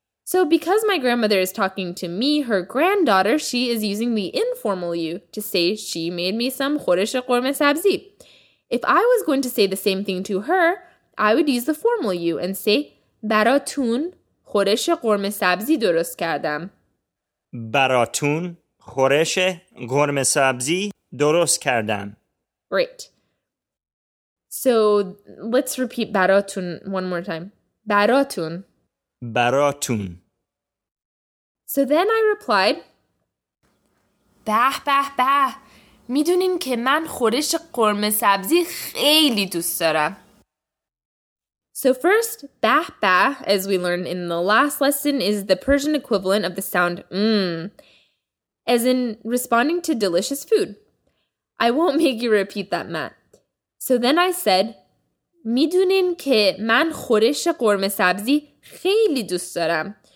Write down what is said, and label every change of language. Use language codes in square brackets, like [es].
[en] So because my grandmother is talking to me, her granddaughter, she is using the informal you to say she made me some khoresh qorme sabzi. If I was going to say the same thing to her, I would use the formal you and say [fa] baratun khoresh qorme sabzi dorost kardam. براتون خورش قرم سبزی درست کردم. [en] Great. So let's repeat براتون one more time. براتون. [fa] براتون. [en] So then I replied, [fa] به به به. میدونین که من خورش قرم سبزی خیلی دوست دارم. [en] So first, [fa] bah bah, [en] as we learned in the last lesson, is the Persian equivalent of the sound mmm, as in responding to delicious food. I won't make you repeat that, Matt. So then I said, [fa] midunin ke man khoresh qorme sabzi kheyli dost daram.